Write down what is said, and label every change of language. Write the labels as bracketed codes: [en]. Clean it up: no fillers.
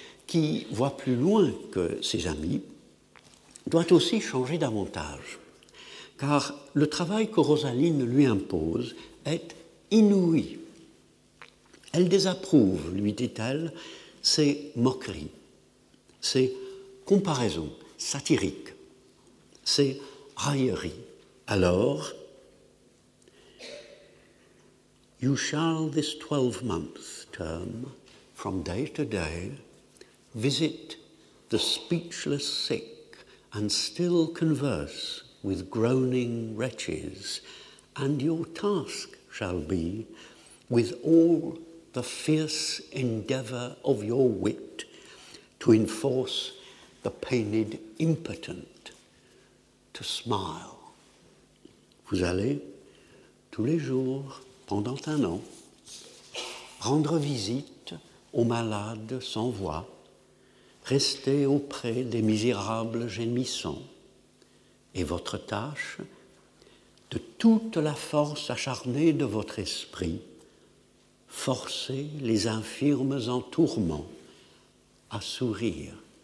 [fr] qui voit plus loin que ses amis, doit aussi changer davantage, car le travail que Rosaline lui impose est inouï. Elle désapprouve, lui dit-elle, ses moqueries, ses comparaisons satiriques, ses railleries. [en] Alors, you shall this 12-month term, from day to day, visit the speechless sick and still converse with groaning wretches, and your task shall be, with all the fierce endeavour of your wit, to enforce the pained impotent to smile. [fr] Vous allez, tous les jours, pendant un an, rendre visite aux malades sans voix, rester auprès des misérables gémissants, et votre tâche, de toute la force acharnée de votre esprit, forcer les infirmes en tourment à sourire.